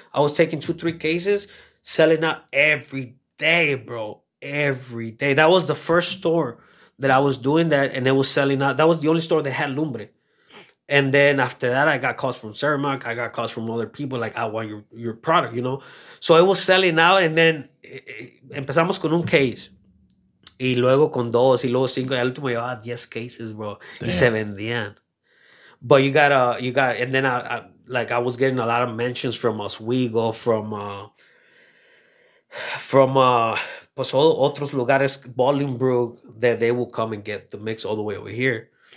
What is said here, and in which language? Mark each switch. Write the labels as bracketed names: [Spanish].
[English] I was taking 2-3 cases, selling out every day, bro. Every day. That was the first store that I was doing that, and it was selling out. That was the only store that had lumbre. And then after that, I got calls from Saramac. I got calls from other people like, I want your product, you know? So it was selling out, and then empezamos con un case. [Spanish] Y luego con dos, y luego cinco. Y el último llevaba 10 cases, bro. Damn. Y se vendían. [English] But you got, and then I was getting a lot of mentions from Oswego, from pues otros lugares, Bolingbrook, that they will come and get the mix all the way over here.